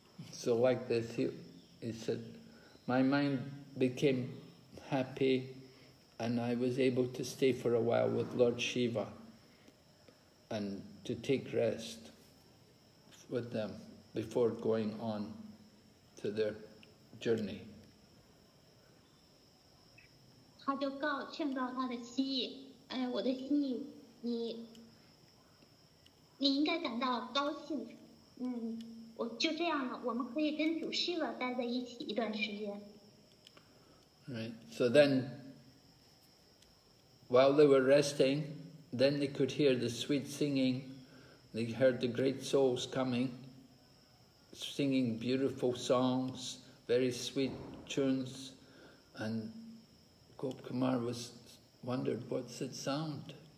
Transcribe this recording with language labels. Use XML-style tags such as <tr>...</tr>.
<en>So like this, he said, my mind became happy and I was able to stay for a while with Lord Shiva and to take rest with them before going on to their journey.</en> <zh>他就劝告他的心意，哎，我的心意，你应该感到高兴。嗯，我就这样了，我们可以跟主Shiva待在一起一段时间。</zh> <en>Right. So then, while they were resting, then they could hear the sweet singing. They heard the great souls coming, singing beautiful songs, very sweet tunes, and Gop Kumar was wondered, what's that sound?</en>